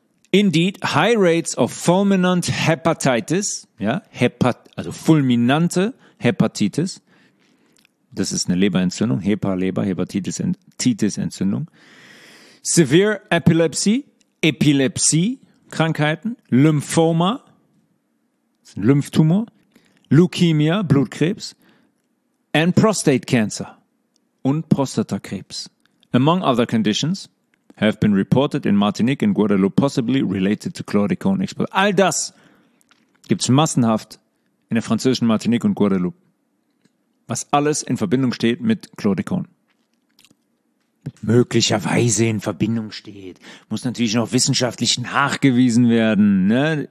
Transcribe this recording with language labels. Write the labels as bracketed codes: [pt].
[en] Indeed, high rates of fulminant hepatitis, [de] ja, also fulminante Hepatitis, das ist eine Leberentzündung, Hepatitis-Entzündung. [en] Severe epilepsy, [de] Epilepsie-Krankheiten, Lymphoma, das ist ein Lymphtumor, Leukämie, Blutkrebs, [en] and prostate cancer [de] und Prostatakrebs. [en] Among other conditions, have been reported in Martinique and Guadeloupe, possibly related to chlordecone exposure. [de] All das gibt es massenhaft in der französischen Martinique und Guadeloupe, was alles in Verbindung steht mit Chlordecone. Möglicherweise in Verbindung steht. Muss natürlich noch wissenschaftlich nachgewiesen werden. Ne?